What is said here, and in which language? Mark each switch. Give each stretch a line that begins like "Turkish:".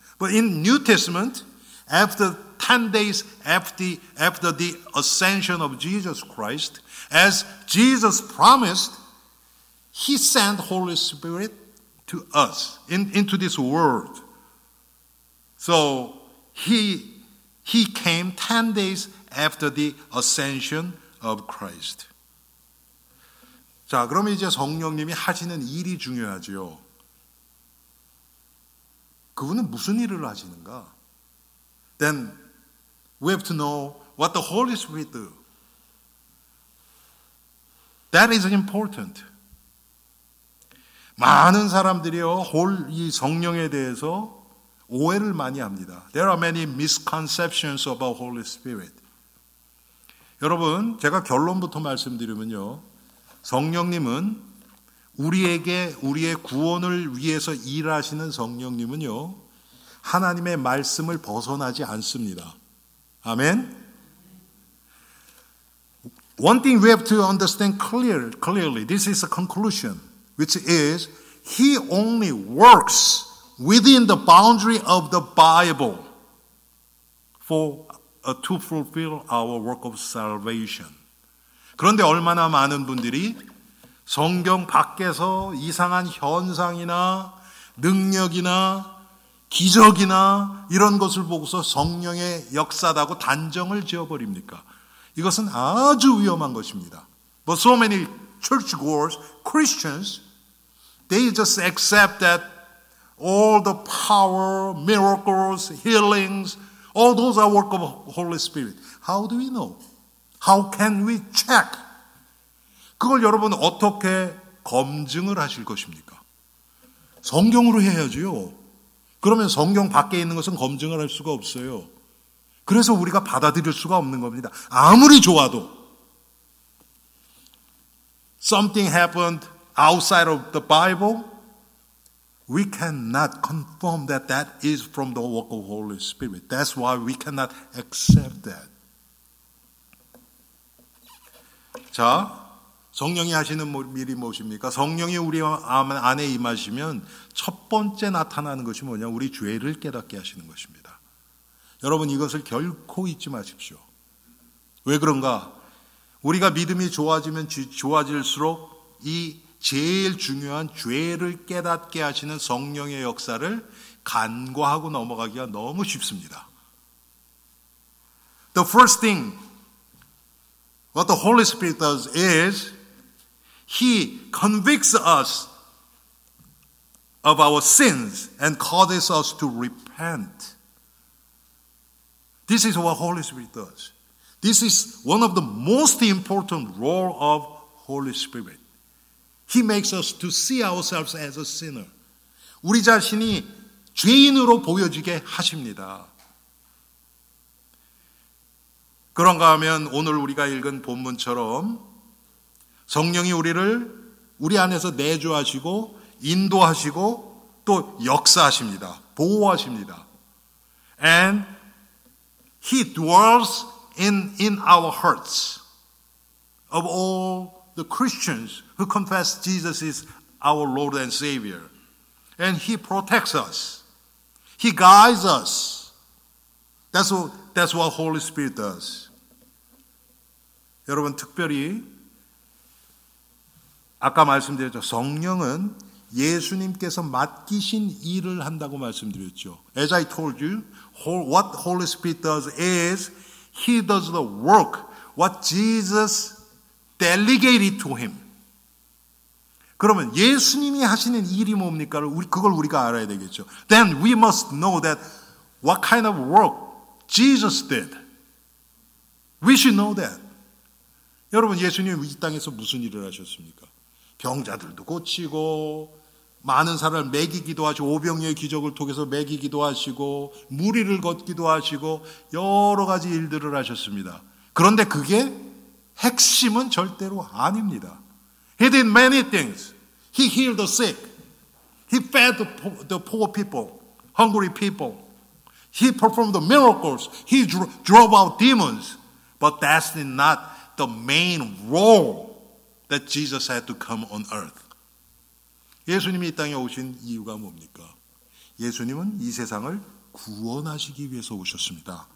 English: But in New Testament, after 10 days after the ascension of Jesus Christ, as Jesus promised, he sent Holy Spirit to us, into this world. So he came 10 days after the ascension of Christ.
Korean: 자, 그럼 이제 성령님이 하시는 일이 중요하죠. 그분은 무슨 일을 하시는가?
English: Then we have to know what the Holy Spirit do. That is important.
Korean: 많은 사람들이요, 이 성령에 대해서 오해를 많이 합니다.
English: There are many misconceptions about Holy Spirit.
Korean: 여러분, 제가 결론부터 말씀드리면요. 성령님은 우리에게 우리의 구원을 위해서 일하시는 성령님은요, 하나님의 말씀을 벗어나지 않습니다. 아멘.
English: One thing we have to understand clearly, this is a conclusion, which is he only works within the boundary of the Bible to fulfill our work of salvation.
Korean: 그런데 얼마나 많은 분들이 성경 밖에서 이상한 현상이나 능력이나 기적이나 이런 것을 보고서 성령의 역사다고 단정을 지어버립니까? 이것은 아주 위험한 것입니다.
English: But so many churchgoers, Christians, they just accept that all the power, miracles, healings, all those are work of Holy Spirit. How do we know? How can we check?
Korean: 그걸 여러분 어떻게 검증을 하실 것입니까? 성경으로 해야지요. 그러면 성경 밖에 있는 것은 검증을 할 수가 없어요. 그래서 우리가 받아들일 수가 없는 겁니다. 아무리 좋아도.
English: Something happened outside of the Bible. We cannot confirm that that is from the work of the Holy Spirit. That's why we cannot accept that.
Korean: 자, 성령이 하시는 일이 무엇입니까? 성령이 우리 안에 임하시면 첫 번째 나타나는 것이 뭐냐? 우리 죄를 깨닫게 하시는 것입니다. 여러분 이것을 결코 잊지 마십시오. 왜 그런가? 우리가 믿음이 좋아지면 좋아질수록 이 제일 중요한 죄를 깨닫게 하시는 성령의 역사를 간과하고 넘어가기가 너무 쉽습니다.
English: The first thing what the Holy Spirit does is He convicts us of our sins and causes us to repent. This is what Holy Spirit does. This is one of the most important role of Holy Spirit. He makes us to see ourselves as a sinner.
Korean: 우리 자신이 죄인으로 보여지게 하십니다. 그런가 하면 오늘 우리가 읽은 본문처럼 성령이 우리를 우리 안에서 내주하시고 인도하시고 또 역사하십니다. 보호하십니다.
English: And he dwells in our hearts of all the Christians who confess Jesus is our Lord and Savior. And he protects us. He guides us. That's what Holy Spirit does.
Korean: 여러분 특별히 아까 말씀드렸죠. 성령은 예수님께서 맡기신 일을 한다고 말씀드렸죠.
English: As I told you, what Holy Spirit does is He does the work what Jesus delegated to Him.
Korean: 그러면 예수님이 하시는 일이 뭡니까를 그걸 우리가 알아야 되겠죠.
English: Then we must know that what kind of work Jesus did. We should know that.
Korean: 여러분 예수님이 이 땅에서 무슨 일을 하셨습니까? 병자들도 고치고 많은 사람을 먹이기도 하시고 오병이어의 기적을 통해서 먹이기도 하시고 무리를 걷기도 하시고 여러 가지 일들을 하셨습니다. 그런데 그게 핵심은 절대로 아닙니다.
English: He did many things. He healed the sick. He fed the poor people, hungry people. He performed the miracles. He drove out demons. But that's not the main role that Jesus had to come on earth.
Korean: 예수님이 이 땅에 오신 이유가 뭡니까? 예수님은 이 세상을 구원하시기 위해서 오셨습니다.